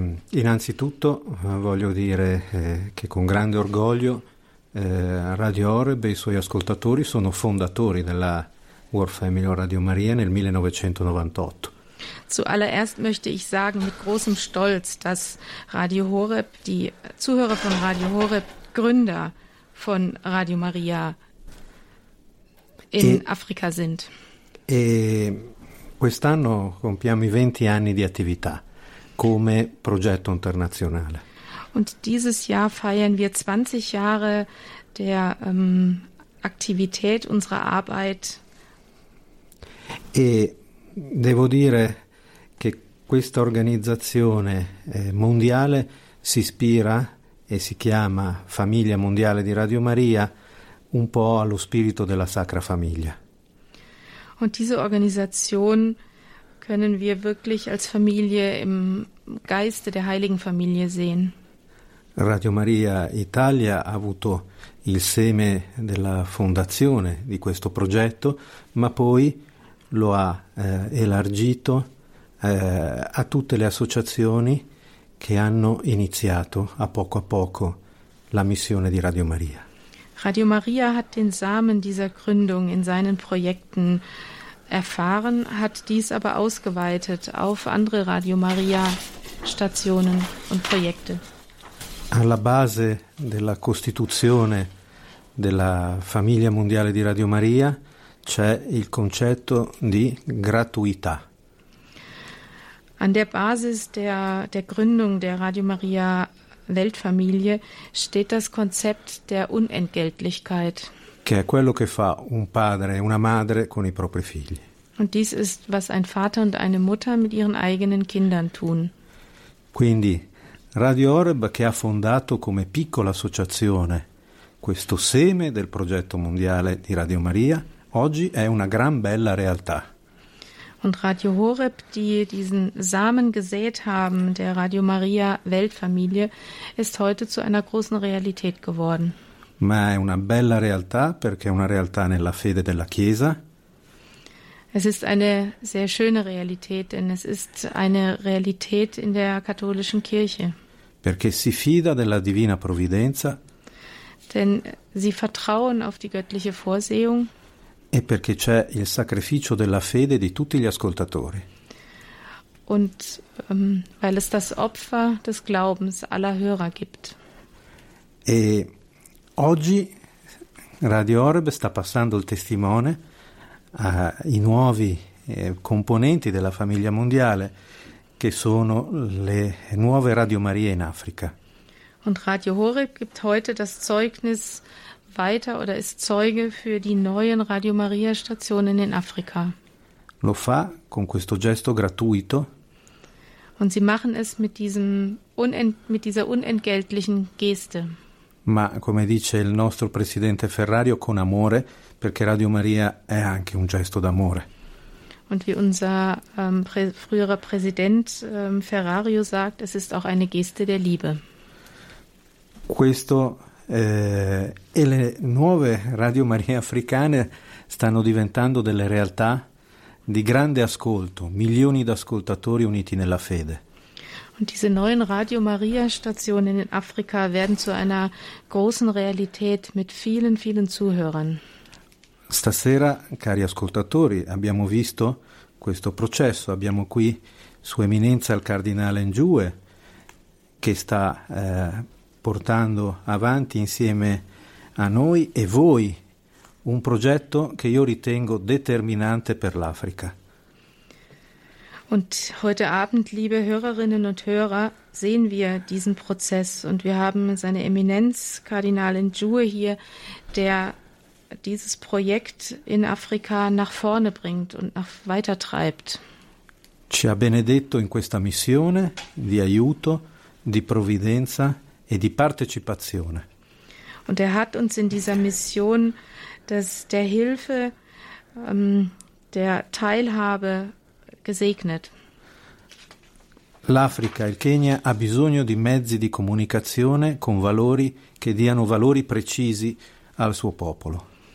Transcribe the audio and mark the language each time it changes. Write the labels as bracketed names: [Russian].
[Italian] Innanzitutto voglio dire che con grande orgoglio Radio Horeb e i suoi ascoltatori sono fondatori della World Family Radio Maria nel 1998. [German] Zuallererst möchte ich sagen, mit großem Stolz, dass Radio Horeb, die Zuhörer von Radio Horeb, Gründer von Radio Maria in Afrika sind. [Italian] E quest'anno compiamo i 20 anni di attività come progetto internazionale. [German] Und dieses Jahr feiern wir 20 Jahre der Aktivität unserer Arbeit. [Italian] E devo dire che questa organizzazione mondiale si ispira e si chiama Famiglia Mondiale di Radio Maria un po' allo spirito della Sacra Famiglia. [German] Und diese Organisation können wir wirklich als Familie im Geiste der Heiligen Familie sehen. [Italian] Radio Maria Italia ha avuto il seme della fondazione di questo progetto, ma poi lo ha elargito a tutte le associazioni che hanno iniziato a poco la missione di Radio Maria. [German] Radio Maria hat den Samen dieser Gründung in seinen Projekten erfahren, hat dies aber ausgeweitet auf andere Radio Maria Stationen und Projekte. [Italian] Alla base della costituzione della Famiglia Mondiale di Radio Maria c'è il concetto di gratuità. [German] An der Basis der Gründung der Radio Maria Weltfamilie steht das Konzept der Unentgeltlichkeit. [Italian] Che è quello che fa un padre e una madre con i propri figli. [German] Und dies ist, was ein Vater und eine Mutter mit ihren eigenen Kindern tun. [Italian] Quindi Radio Horeb, che ha fondato come piccola associazione questo seme del progetto mondiale di Radio Maria, oggi è una gran bella realtà. [German] Und Radio Horeb, die diesen Samen gesät haben, der Radio Maria Weltfamilie, ist heute zu einer großen Realität geworden. [Italian] Ma è una bella realtà perché è una realtà nella fede della Chiesa. [German] Es ist eine sehr schöne Realität, denn es ist eine Realität in der katholischen Kirche. [Italian] Perché si fida della Divina Provvidenza. [German] Denn sie vertrauen auf die göttliche Vorsehung. [Italian] E perché c'è il sacrificio della fede di tutti gli ascoltatori. [German] Und weil es das Opfer des Glaubens aller Hörer gibt. [Italian] E oggi Radio Horeb sta passando il testimone ai nuovi componenti della Famiglia Mondiale, che sono le nuove Radio Maria in Africa. [German] Und Radio Horeb gibt heute das Zeugnis weiter oder ist Zeuge für die neuen Radio Maria Stationen in Afrika. [Italian] Lo fa con questo gesto gratuito. [German] Und sie machen es mit diesem mit dieser unentgeltlichen Geste. [Italian] Ma come dice il nostro presidente Ferrario, con amore, perché Radio Maria è anche un gesto d'amore. [German] Und wie unser früherer Präsident Ferrario sagt, es ist auch eine Geste der Liebe. [Italian] Questo e le nuove Radio Maria africane stanno diventando delle realtà di grande ascolto, milioni di ascoltatori uniti nella fede. [German] Und diese neuen Radio Maria Stationen in Afrika werden zu einer großen Realität mit vielen, vielen Zuhörern. [Italian] Stasera, cari ascoltatori, abbiamo visto questo processo. Abbiamo qui Sua Eminenza il Cardinale Njue, che sta portando avanti insieme a noi e voi un progetto che io ritengo determinante per l'Africa. [German] Und heute Abend, liebe Hörerinnen und Hörer, sehen wir diesen Prozess und wir haben seine Eminenz Kardinal Njue hier, der dieses Projekt in Afrika nach vorne bringt und nach weiter treibt. [Italian] Ci ha benedetto in questa missione di aiuto, di provvidenza e di partecipazione. [German] Und hat uns in dieser Mission der Hilfe, der Teilhabe gesegnet. [Italian] L'Africa, il Kenya, ha bisogno di mezzi di comunicazione con valori che diano valori precisi al suo popolo.